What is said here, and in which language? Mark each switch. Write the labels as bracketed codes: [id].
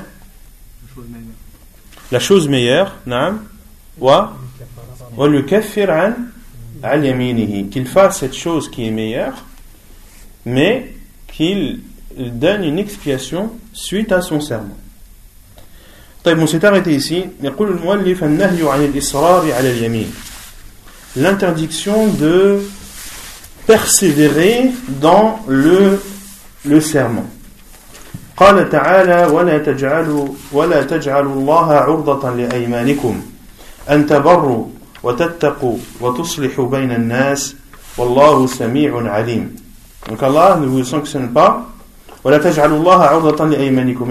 [fr] La chose meilleure. La chose meilleure, [ar] naam. Wa le kafir an al yaminihi. [fr] Qu'il fasse cette chose qui est meilleure, mais qu'il donne une expiation suite à son serment. Taïb, on s'est arrêté ici. [ar] يقول المؤلف النهي عن الإصرار على اليمين. [fr] L'interdiction de persévérer dans le serment. [ar] قال تعالى ولا تجعلوا الله عرضة لأيمانكم أن تبروا وتتقوا وتصلحوا بين الناس والله سميع عليم. [fr] Donc Allah ne vous sanctionne pas. [ar] ولا تجعلوا الله عرضة لأيمانكم.